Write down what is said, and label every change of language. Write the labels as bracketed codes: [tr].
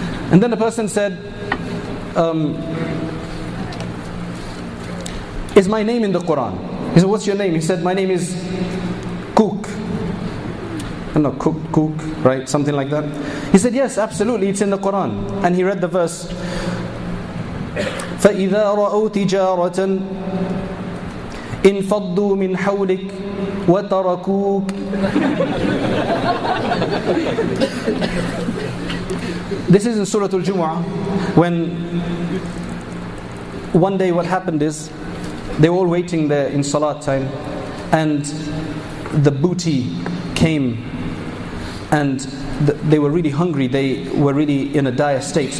[en] And then the person said, "Is my name in the Quran?" He said, "What's your name?" He said, "My name is Cook." I don't know, cook, right? Something like that. He said, "Yes, absolutely, it's in the Quran." And he read the verse, [ar] "فَإِذَا رَأَوْ تِجَارَةً انْفَضُّوا مِنْ حَوْلِكَ وَتَرَكُوكَ." [en] This is in Surah Al-Jumu'ah, when one day what happened is, they were all waiting there in Salat time, and the booty came, and they were really hungry, they were really in a dire state.